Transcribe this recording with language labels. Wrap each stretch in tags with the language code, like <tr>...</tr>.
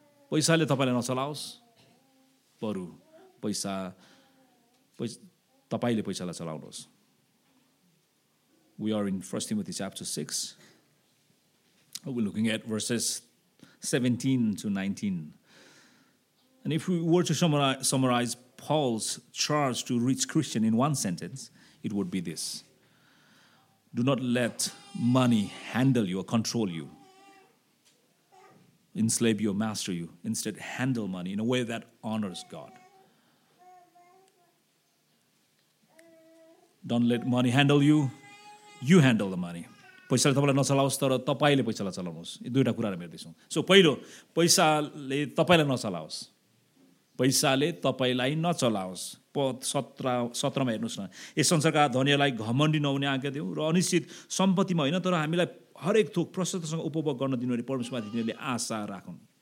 <ne>पैसाले तपाईँलाई नचलाओस्, बरु पैसा तपाईँले पैसालाई चलाउनुहोस्.</ne> <en>We are in 1 Timothy 6, we looking at verses 17-19. And if we were to summarize Paul's charge to rich Christian in one sentence, it would be this: do not let money handle you or control you, enslave you or master you. Instead, handle money in a way that honors God. Don't let money handle you. You handle the money.</en> <ne>पैसाले तपाईँलाई नचलाओस् तर तपाईँले पैसालाई चलाउनुहोस्. यी दुईवटा कुराहरू हेर्दैछौँ. So पहिलो, पैसाले तपाईँलाई नचलाओस्. पैसाले तपाईँलाई नचलाओस्. सत्रमा हेर्नुहोस् न, यस संसारका धनीहरूलाई घमण्डी नहुने आज्ञा दिउँ र अनिश्चित सम्पत्तिमा होइन तर हामीलाई हरेक थोक प्रशस्तसँग उपभोग गर्न दिनुहुने परमेश्वरमाथि तिनीहरूले आशा राखुन्.</ne>